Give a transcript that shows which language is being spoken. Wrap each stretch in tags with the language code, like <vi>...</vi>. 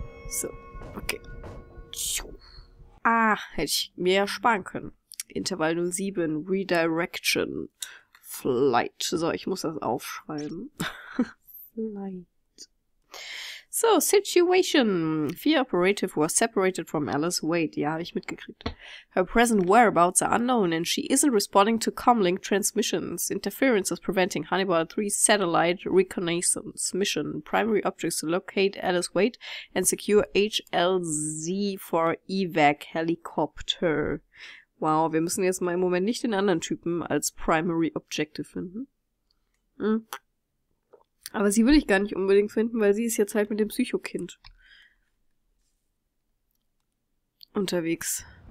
<de>So, okay. Ah, hätte ich mir ja sparen können.</de> <en>Intervall 07, Redirection, Flight.</en> <de>So, ich muss das aufschreiben.</de> <en>Flight. So, Situation. Fear operative was separated from Alice Wade.</en> <de>Ja, habe ich mitgekriegt.</de> <en>Her present whereabouts are unknown and she isn't responding to comlink transmissions. Interference is preventing Hannibal 3 satellite reconnaissance mission. Primary objects to locate Alice Wade and secure HLZ for evac helicopter.</en> <de>Wow, wir müssen jetzt mal im Moment nicht den anderen Typen als</de> <en>primary objective</en> <de>finden. Hm. Aber sie will ich gar nicht unbedingt finden, weil sie ist jetzt halt mit dem Psychokind unterwegs.</de>